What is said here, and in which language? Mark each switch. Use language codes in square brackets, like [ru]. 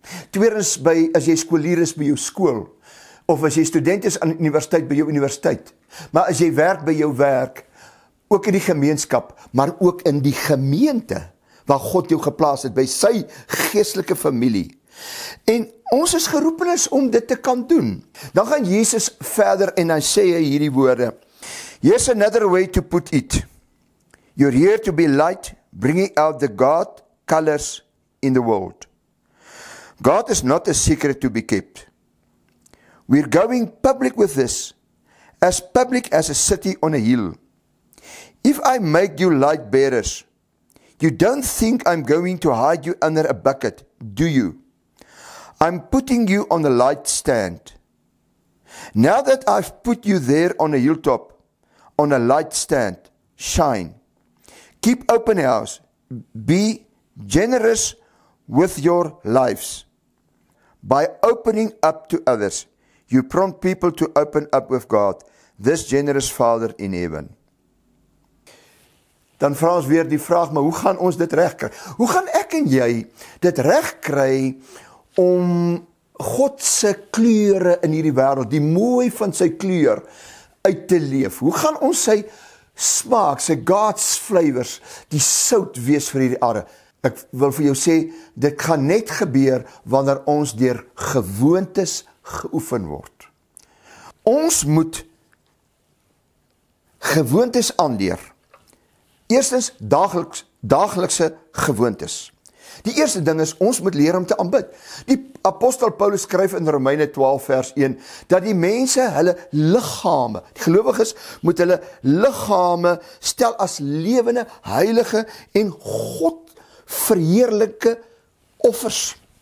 [af] Tweedens, as jy skoolier is by jou skool, of as jy student is aan die universiteit by jou universiteit, maar as jy werk by jou werk, ook in die gemeenskap, maar ook in die gemeente, waar God jou geplaas het, by sy geestelike familie. En ons is geroepen is om dit te kan doen. Dan gaan Jesus verder en dan sê hy hierdie woorde, [en] here's another way to put it. You're here to be light, bringing out the God colors in the world. God is not a secret to be kept. We're going public with this, as public as a city on a hill. If I make you light bearers, you don't think I'm going to hide you under a bucket, do you? I'm putting you on a light stand. Now that I've put you there on a hilltop, on a light stand, shine. Keep open house. Be generous with your lives. By opening up to others, you prompt people to open up with God, this generous Father in heaven. [af] Dan vra ons weer die vraag, maar hoe gaan ons dit reg kry? Hoe gaan ek en jy dit reg kry om God se kleure in hierdie wêreld, die mooi van sy kleur, uit te leef? Hoe gaan ons sy smaak, sy God's flavors, die sout wees vir hierdie aarde? Ek wil vir jou sê, dit gaan net gebeur wanneer ons deur gewoontes geoefen word. Ons moet gewoontes aanleer. Eerstens, dagelikse gewoontes. Die eerste ding is, ons moet leer om te aanbid. Die apostel Paulus skryf in Romeine 12 vers 1, dat die mense hulle liggame, die gelowiges moet hulle liggame stel as lewende, heilige en God verheerlike offers.